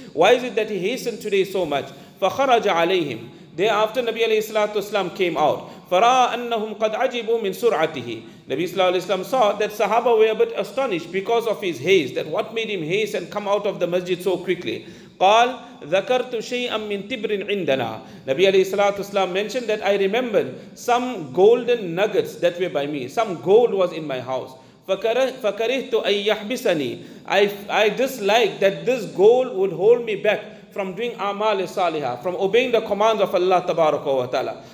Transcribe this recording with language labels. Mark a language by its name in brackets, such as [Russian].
[English] Why is it that he hastened today so much? [Arabic] فَخَرَجَ عَلَيْهِمْ. [English] Thereafter Nabi alayhi islam came out. [Arabic] فَرَاءَ أَنَّهُمْ قَدْ عَجِبُوا مِنْ سُرْعَتِهِ. [English] Nabi sallallahu alayhi islam saw that Sahaba were a bit astonished because of his haste. That what made him haste and come out of the masjid so quickly? [Arabic] قال ذكرت شيئا من تبر عندنا. [English] نبي عليه الصلاة والسلام mentioned that I remembered some golden nuggets that were by me. Some gold was in my house. [Arabic] فكرهت أن يحبسني. [English] I dislike that this gold would hold me back from doing amal salihah, from obeying the commands of Allah tabaraka wa ta'ala.